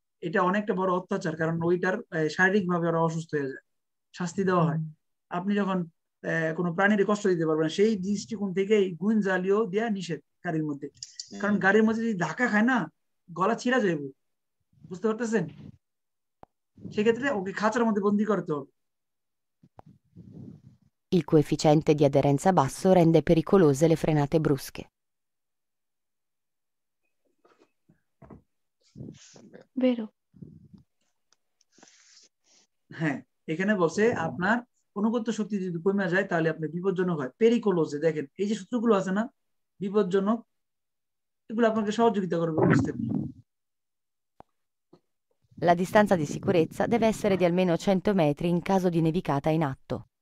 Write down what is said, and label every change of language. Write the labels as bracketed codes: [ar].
[bn] এটা অনেকটা বড় অত্যাচার, কারণ ওইটার শারীরিক ভাবে ওরা অসুস্থ হয়ে যায়, শাস্তি দেওয়া হয়। আপনি যখন কোনো প্রাণীর কষ্ট দিতে পারবেন, সেই দৃষ্টিকোণ থেকে গুইন জালিও দেওয়া নিষেধ গাড়ির মধ্যে, কারণ গাড়ির মধ্যে যদি ধাক্কা খায় না গলা ছিঁড়া যাইব, বুঝতে পারতেছেন? সেক্ষেত্রে ওকে খাঁচার মধ্যে বন্দি করতে হবে। [it] Il coefficiente di aderenza basso rende pericolose le frenate brusche. Vero. [bn] হ্যাঁ, এখানে বলছে আপনার অনুগত শক্তি যদি কমে যায় তাহলে আপনি বিপজ্জনক হয়, পেরিকোলোসে। দেখেন এই যে সূত্রগুলো আছে না, বিপজ্জনক, এগুলো আপনাকে সহযোগিতা করবে বুঝতে। [it] La distanza di sicurezza deve essere di almeno 100 metri in caso di nevicata in atto.